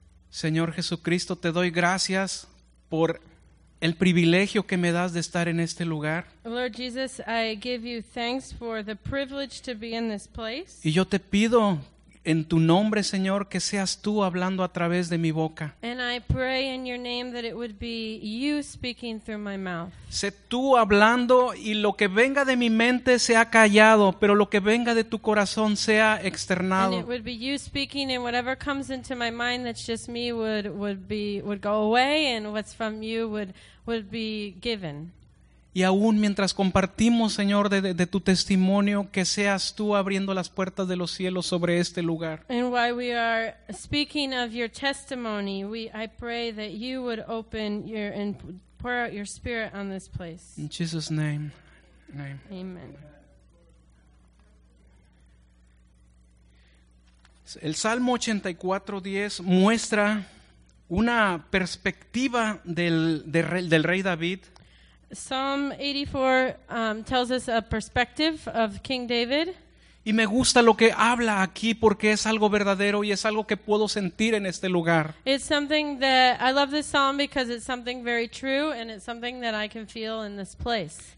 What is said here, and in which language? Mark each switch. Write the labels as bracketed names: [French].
[Spanish] Señor Jesucristo, te doy gracias por el privilegio que me das de estar en este lugar. [English] Lord Jesus, I give you thanks for the privilege to be in this place. [Spanish] Y yo te pido en tu nombre, Señor, que seas tú hablando a través de mi boca. [English] And I pray in your name that it would be you speaking through my mouth. [Spanish] Sé tú hablando y lo que venga de mi mente sea callado, pero lo que venga de tu corazón sea externado. [English] And it would be you speaking and whatever comes into my mind that's just me would go away and what's from you would be given. [Spanish] Y aún mientras compartimos, Señor, de tu testimonio, que seas tú abriendo las puertas de los cielos sobre este lugar. [English] And while we are speaking of your testimony, I pray that you would open your and pour out your spirit on this place. In Jesus' name. Amen. [Spanish] El Salmo 84:10 muestra una perspectiva del rey David. [English] Psalm 84 tells us a perspective of King David. [Spanish] Y me gusta lo que habla aquí porque es algo verdadero y es algo que puedo sentir en este lugar. [English] It's something that I love this psalm because it's something very true and it's something that I can feel in this place.